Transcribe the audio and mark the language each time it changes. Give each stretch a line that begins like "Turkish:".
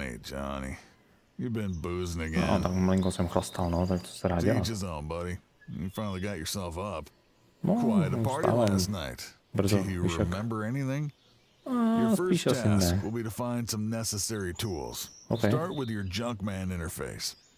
English: Johnny, you've been boozing again.
Czech: No, tak malinko jsem chlastal, no, tak to se rád dělá.
English: Teach on, buddy. You finally got yourself up. No, quite a party last night. Brzo, do you remember anything? Your first task will be to find some necessary tools. Okay. Start with your Junkman interface.